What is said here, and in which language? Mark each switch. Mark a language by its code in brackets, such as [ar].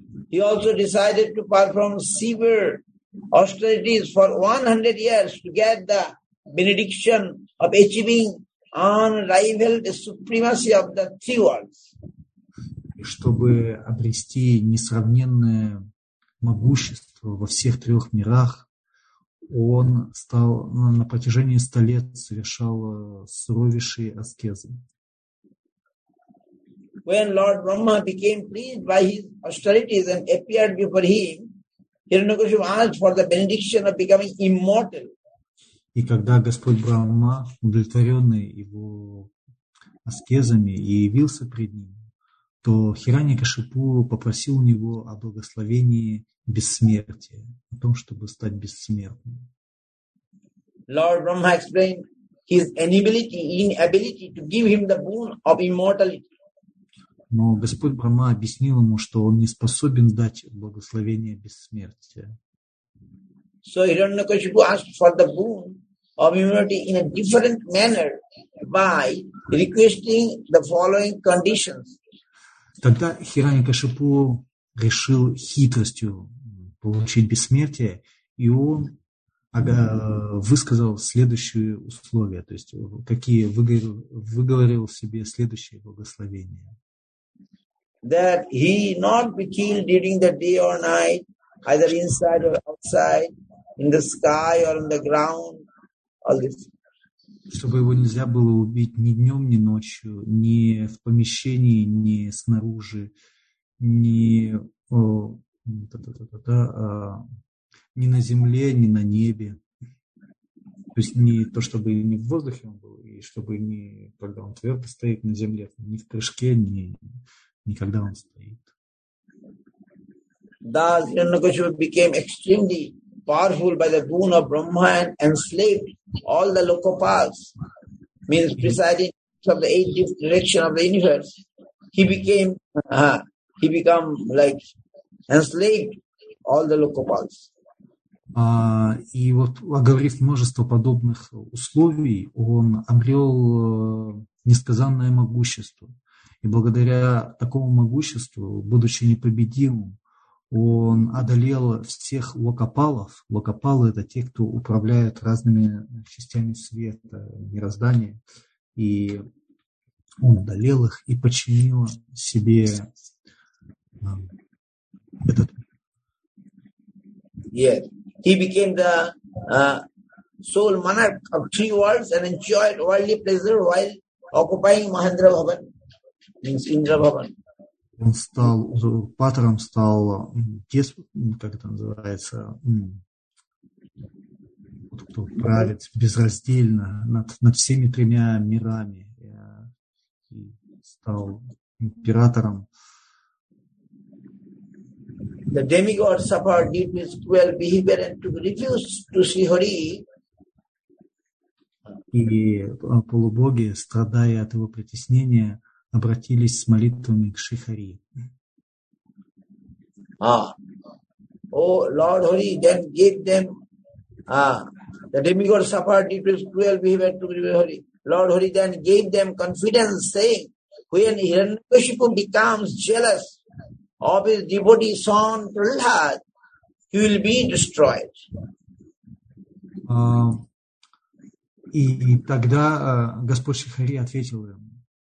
[en] He also decided to perform severe austerities for 100 years to get the benediction of achieving unrivaled supremacy of the three worlds. [ru] Чтобы обрести несравненное могущество во всех трех мирах, он стал на протяжении 100 лет совершал суровейшие аскезы. [en] When Lord Brahma became pleased by his austerities and appeared before him, Hiranyakashipu asked for the benediction of becoming immortal. [ru] И когда Господь Брахма, удовлетворенный его аскезами, и явился пред ним, то Хираньякашипу попросил у него о благословении бессмертия, о том, чтобы стать бессмертным. [en] Lord Brahma explained his inability to give him the boon of immortality. [ru] Но Господь Брахма объяснил ему, что он не способен дать благословение бессмертия. [en] So Hiranyakashipu asked for the boon of immortality in a different manner by requesting the following conditions. [ru] Тогда Хираньякашипу решил хитростью получить бессмертие, и он высказал следующие условия, то есть какие выговорил себе следующее благословение. [en] That he not be killed during the day or night, either inside or outside, in the sky or on the ground, all this. [ru] Чтобы его нельзя было убить ни днем, ни ночью, ни в помещении, ни снаружи, ни на земле, ни на небе. То есть не то, чтобы не в воздухе он был, и чтобы не когда он твердо стоит на земле, ни в прыжке, ни когда он стоит. [en] Thus, Hiranyakashipu became extremely powerful by the boon of Brahma and enslaved all the Lokapals, means presiding from the eight different directions of the universe. He became like enslaved all the Lokapals. [ru] И вот, оговорив множество подобных условий, он обрел несказанное могущество. И благодаря такому могуществу, будучи непобедимым, он одолел всех локопалов. Локопалы — это те, кто управляют разными частями света, мироздания. И он одолел их и подчинил себе этот... [en] Yes. He became the sole monarch of three worlds and enjoyed worldly pleasure while occupying Mahendra Bhavan, means Indra Bhavan. [ru] Он стал узурпатором, стал как это называется, кто правит безраздельно над всеми тремя мирами. И стал императором. [en] The demigod suffered due to his cruel behavior and to refuse to see Hari. [ru] И полубоги, страдая от его притеснения, обратились с молитвами к Шри Хари. [en] Lord Hari then gave them the demigod suffered due to his cruel behavior to Hari. Lord Hari then gave them confidence, saying, when Hiranyakashipu becomes jealous of his devotee son Prahlad, he will be destroyed. [ru] И тогда Господь Шри Хари ответил им.